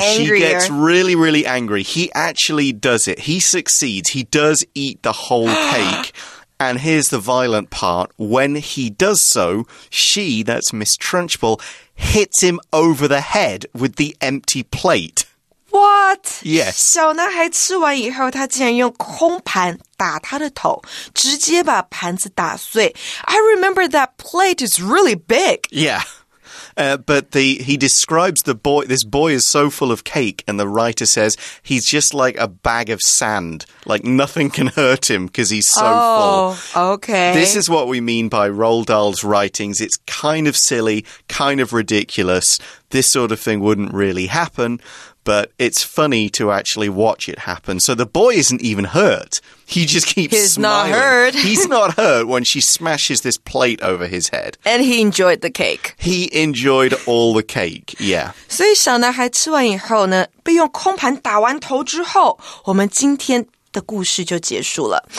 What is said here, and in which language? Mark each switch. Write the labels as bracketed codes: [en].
[en] she gets really, really angry. He actually does it. He succeeds. He does eat the whole cake. And here's the violent part. When he does so, she, that's Miss Trunchbull, hits him over the head with the empty plate. What? Yes. [zh] 小男孩吃完以后，他竟然用空盘打他的头，直接把盘子打碎。 [en] I remember that plate is really big. Yeah. But he describes the boy, this boy is so full of cake, and the writer says he's just like a bag of sand, like nothing can hurt him because he's so full. Oh, okay. This is what we mean by Roald Dahl's writings. It's kind of silly, kind of ridiculous. This sort of thing wouldn't really happen, but it's funny to actually watch it happen. So the boy isn't even hurt. He just keeps smiling. He's not hurt. He's not hurt when she smashes this plate over his head. And he enjoyed the cake. He enjoyed all the cake, yeah. [zh] 所以小男孩吃完以后呢，被用空盘打完头之后，我们今天的故事就结束了。